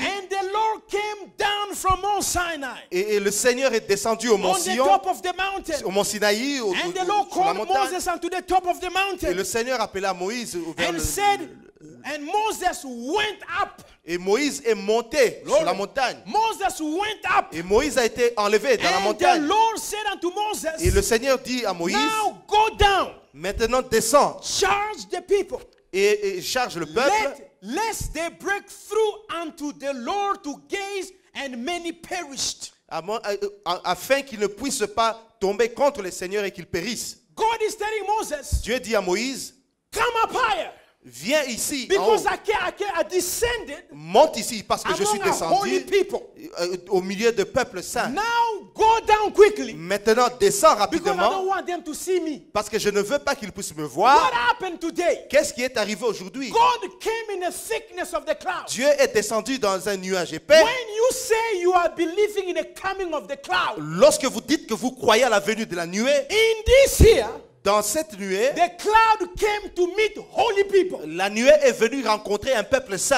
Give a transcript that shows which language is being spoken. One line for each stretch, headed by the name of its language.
English: And the Lord came down from Mount Sinai.
French: Et le Seigneur est descendu au Mont Sion.
English: On the top of the mountain.
French: Au Mont Sinaï.
English: And the Lord called Moses unto the top of the mountain.
French: Et le Seigneur appela Moïse
English: and said, and Moses went up.
French: Et Moïse est monté
English: Lord,
French: sur la montagne.
English: Moses went up.
French: Et Moïse a été enlevé dans
English: and
French: la montagne.
English: The Lord said unto Moses,
French: et le Seigneur dit à Moïse,
English: Now go down.
French: Maintenant descends.
English: Charge the people.
French: Et charge le peuple.
English: Lest they break through unto the Lord to gaze, and many perished.
French: Afin qu'ils ne puissent pas tomber contre le Seigneur et qu'ils périssent.
English: God is telling Moses.
French: Dieu dit à Moïse.
English: Come up higher.
French: Viens ici.
English: Because I descended.
French: Monte ici parce que je suis descendu.
English: Among a holy people.
French: Au milieu de peuple saint.
English: Now go down quickly.
French: Maintenant descends rapidement.
English: Because I don't want them to see me.
French: Parce que je ne veux pas qu'ils puissent me voir.
English: What happened today?
French: Qu'est-ce qui est arrivé aujourd'hui?
English: God came in the thickness of the cloud.
French: Dieu est descendu dans un nuage épais.
English: When you say you are believing in the coming of the cloud,
French: lorsque vous dites que vous croyez à la venue de la nuée,
English: in this here,
French: dans cette nuée,
English: the cloud came to meet holy people.
French: La nuée est venue rencontrer un peuple saint.